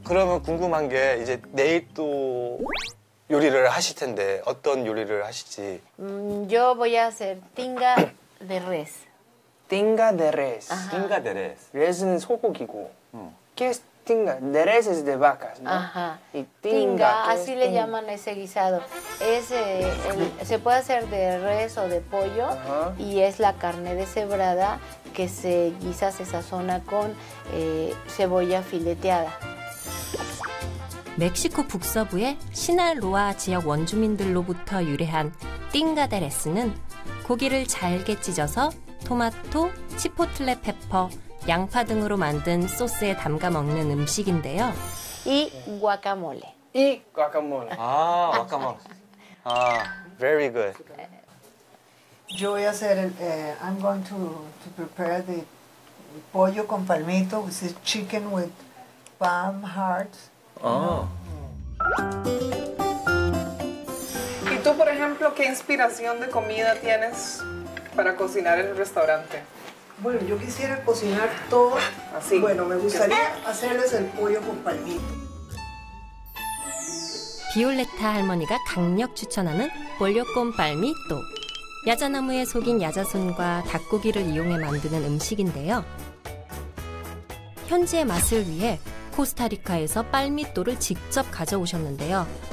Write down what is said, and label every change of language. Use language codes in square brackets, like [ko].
[ko] 그러면 궁금한 게 이제 내일 또 요리를 하실 텐데 어떤 요리를 하실지. [es] Yo voy a hacer tinga de res. Tinga de res. Ajá. Tinga de res. [ko] Res는 소고기고. 응. [es] ¿Qué es tinga? De res es de vacas, ¿no? Ajá. Y tinga, así le llaman a ese guisado. Es, se puede hacer de res o de pollo. Ajá. Y es la carne deshebrada que se guisa, se sazona con cebolla fileteada. [ko] 멕시코 북서부의 시날로아 지역 원주민들로부터 유래한 tinga de res는 고기를 잘게 찢어서 토마토, 치포틀레 페퍼, 양파 등으로 만든 소스에 담가 먹는 음식인데요. 이 과카몰레. 이 과카몰레. 아, 과카몰레. 아, [en] very good. [es] Yo voy a hacer, [en] I'm going to prepare the pollo con palmito, which is chicken with palm heart. Oh. [es] ¿Y tú, por ejemplo, qué inspiración de comida tienes? Para cocinar en el restaurante. Bueno, yo quisiera cocinar todo. Así. Bueno, me gustaría hacerles el pollo con palmito. [ko] 비올레타 할머니가 강력 추천하는 pollo con palmito. 야자나무에 속인 야자손과 닭고기를 이용해 만드는 음식인데요. 현지의 맛을 위해 코스타리카에서 palmito를 직접 가져오셨는데요.